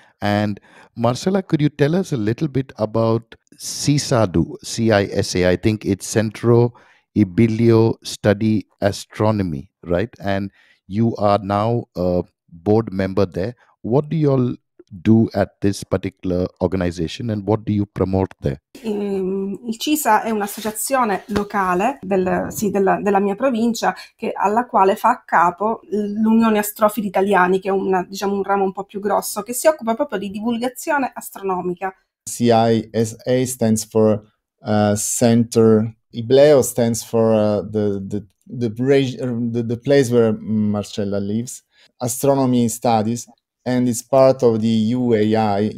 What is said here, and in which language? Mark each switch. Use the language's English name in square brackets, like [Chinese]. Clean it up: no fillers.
[English] And Marcella, could you tell us a little bit about CISADU, CISA? I think it's Centro Ibilio Study Astronomy, right? And you are now a board member there. What do you all do at this particular organization and what do you promote there? [Italian] Il CISA è un'associazione locale della mia provincia, che alla quale fa a capo l'Unione Astrofili Italiani, che è un ramo un po' più grosso, che si occupa proprio di divulgazione astronomica. [English] CISA stands for center. Ibleo stands for the place where Marcella lives. Astronomy studies, and it's part of the UAI.